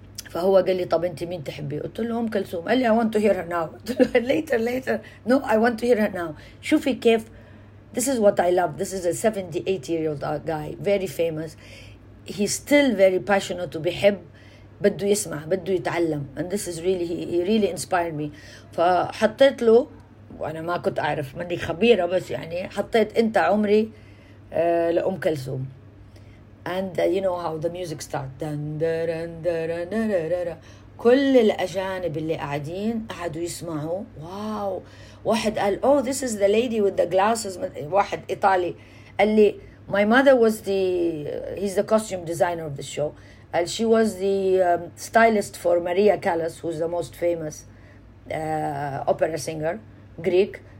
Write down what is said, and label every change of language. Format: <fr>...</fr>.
<ar>فهو قال لي, طب أنتي مين تحبي؟ قلت له أم كلثوم. قال لي,</ar> <en>I want to hear her now. later. No, I want to hear her now.</en> <ar>شوفي كيف,</ar> <en>this is what I love. This is a 78-year-old guy, very famous. He's still very passionate,</en> <ar>وبيحب, بده يسمع, بده يتعلم.</ar> <en>And this is really, he really inspired me.</en> <ar>فحطيت له, وأنا ما كنت أعرف, مني خبيرة, بس يعني حطيت أنت عمري لأم كلثوم.</ar> <en>And you know how the music starts. Dun, dun, dun, dun, dun, dun, dun.</en> <ar>كل الأجانب اللي قاعدين قعدوا يسمعوا. واو, واحد قال,</ar> <en>oh, this is the lady with the glasses.</en> <ar>واحد إيطالي قال لي,</ar> <en>My mother was the, he's the costume designer of the show. And she was the stylist for Maria Callas, who's the most famous opera singer, Greek.</en>